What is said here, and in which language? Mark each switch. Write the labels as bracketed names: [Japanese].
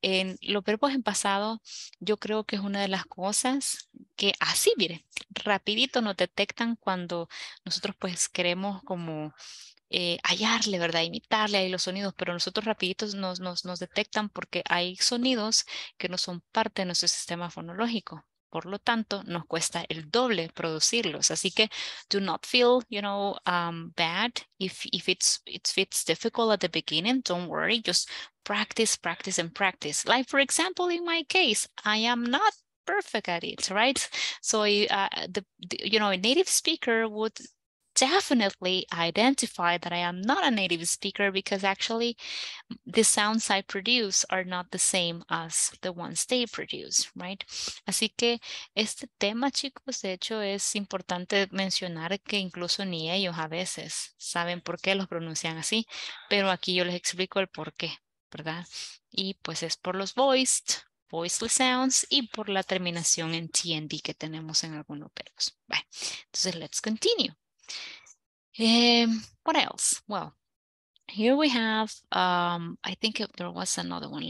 [Spanish] En los verbos en pasado, yo creo que es una de las cosas que así, mire, rapidito nos detectan cuando nosotros pues queremos como hallarle, ¿verdad? Imitarle ahí los sonidos, pero nosotros rapiditos nos detectan porque hay sonidos que no son parte de nuestro sistema fonológico. Por lo tanto, nos cuesta el doble producirlos. Así que [English] do not feel, you know, bad if it's difficult at the beginning. Don't worry, just practice, practice, and practice. Like, for example, in my case, I am not perfect at it, right? So, a native speaker would definitely identify that I am not a native speaker because actually the sounds I produce are not the same as the ones they produce, right? [Spanish] Así que este tema, chicos, de hecho es importante mencionar que incluso ni ellos a veces saben por qué los pronuncian así, pero aquí yo les explico el por qué, ¿verdad? Y pues es por los [English] voiceless sounds [Spanish] y por la terminación en TND que tenemos en algunos verbos. Bueno, entonces [English] let's continue. What else? Well, here we have, I think there was another one.